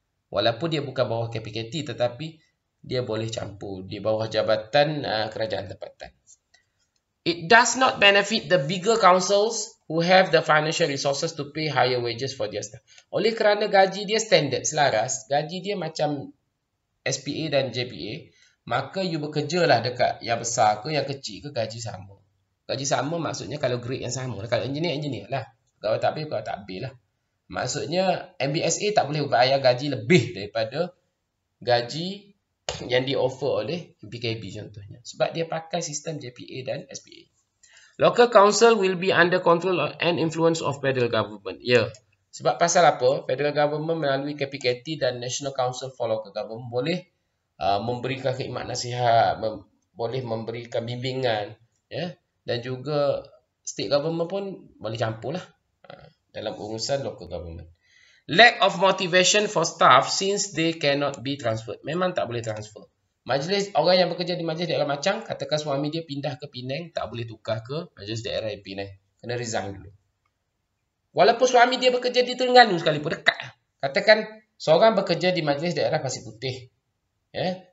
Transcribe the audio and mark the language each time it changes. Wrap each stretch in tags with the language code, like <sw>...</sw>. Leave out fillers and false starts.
<ms>Walaupun dia bukan bawah KPKT, tetapi dia boleh campur di bawah jabatan kerajaan tempatan.</ms> <en>It does not benefit the bigger councils who have the financial resources to pay higher wages for their staff.</en> <ms>Oleh kerana gaji dia standard, selaras, gaji dia macam SPA dan JPA, maka you bekerjalah dekat yang besar ke, yang kecil ke, gaji sama. Gaji sama maksudnya kalau grade yang sama. Kalau engineer, engineer lah. Kalau tak pay, kalau tak pay lah. Maksudnya, MBSA tak boleh bayar gaji lebih daripada gaji yang di-offer oleh PKB contohnya. Sebab dia pakai sistem JPA dan SPA.</ms> <en>Local council will be under control and influence of federal government.</en> <ms>Ya. Yeah. Sebab pasal apa? Federal government melalui KPKT dan National Council for Local Government boleh memberikan khidmat nasihat, boleh memberikan bimbingan. Ya. Yeah. Dan juga state government pun boleh campur lah dalam urusan local government.</ms> <en>Lack of motivation for staff since they cannot be transferred.</en> <ms>Memang tak boleh transfer. Majlis, orang yang bekerja di majlis daerah macam, katakan suami dia pindah ke Penang, tak boleh tukar ke majlis daerah yang Penang. Kena resign dulu. Walaupun suami dia bekerja di Terengganu sekalipun, dekat. Katakan seorang bekerja di majlis daerah Pasir Putih. Yeah.</ms>